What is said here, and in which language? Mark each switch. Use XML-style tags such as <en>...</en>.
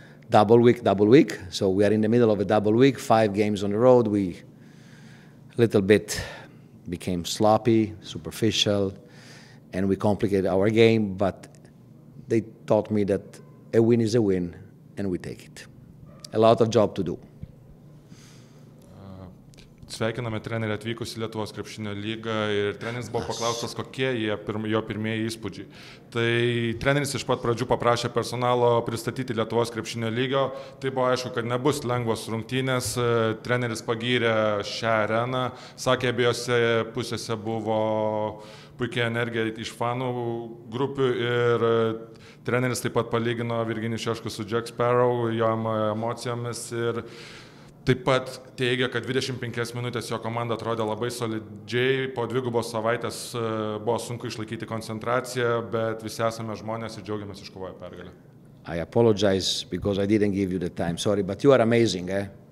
<en>Double week. So we are in the middle of a double week, 5 games on the road. We a little bit became sloppy, superficial, and we complicated our game. But they taught me that a win is a win, and we take it. A lot of job to do.</en> <lt>sveikiname trenerį atvykus į Lietuvos krepšinio lygą ir treneris buvo paklaustas, kokie jo pirmieji įspūdžiai. Tai treneris iš pat pradžių paprašė personalo pristatyti Lietuvos krepšinio lygio. Tai buvo aišku, kad nebus lengvos rungtynės. Treneris pagyrė šią areną, sakė, abiejose pusėse buvo puikiai energija iš fanų grupių ir treneris taip pat palygino Virginijų Šeškų su Jack Sparrow, jo emocijomis ir taip pat teigia, kad 25 minutės jo komanda atrodė labai solidžiai, po dvigubos savaitės buvo sunku išlaikyti koncentraciją, bet visi esame žmonės ir džiaugiamės iškovoję pergalę.</lt> <en>I apologize because I didn't give you the time, sorry, but you are amazing, eh?</en>